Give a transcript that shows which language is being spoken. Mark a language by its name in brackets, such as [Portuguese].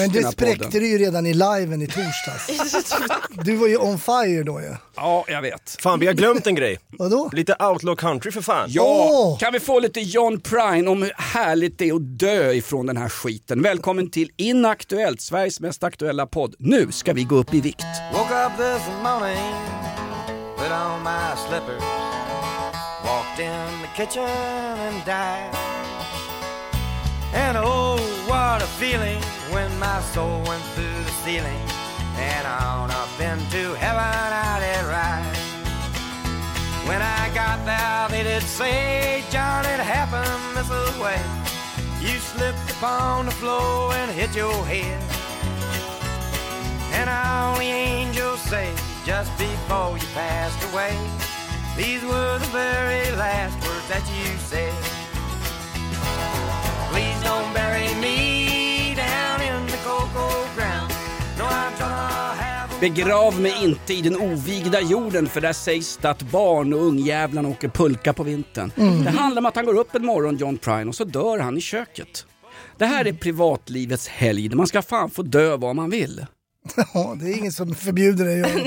[Swedish] Men det spräckte du ju redan i liven i torsdags. Du var ju [English] on fire [Swedish] då ju. Ja, jag vet. Fan, vi har glömt en grej. Vadå? Lite Outlaw Country för fan. Ja, kan vi få lite John Prine om hur härligt det är att dö ifrån den här skiten. Välkommen till Inaktuellt, Sveriges mest aktuella podd. Nu ska vi gå upp i vikt. [English] Woke up this morning, put on my slippers, walked in the kitchen and died. And oh, what a feeling when my soul went through the ceiling and on up into heaven I did ride. When I got there, they did say, John, it happened this way. You slipped upon the floor and hit your head. And all the angels say, just before you passed away, these were the very last words that you said. Please don't bury me down in the cold ground. No, I'm gonna have a... [Swedish] Begrav mig inte i den ovigda jorden, för där sägs det att barn och ungjävlarna åker pulka på vintern. Mm. Det handlar om att han går upp en morgon, John Prine, och så dör han i köket. Det här är privatlivets helg, där man ska fan få dö vad man vill. Ja, det är ingen som förbjuder dig.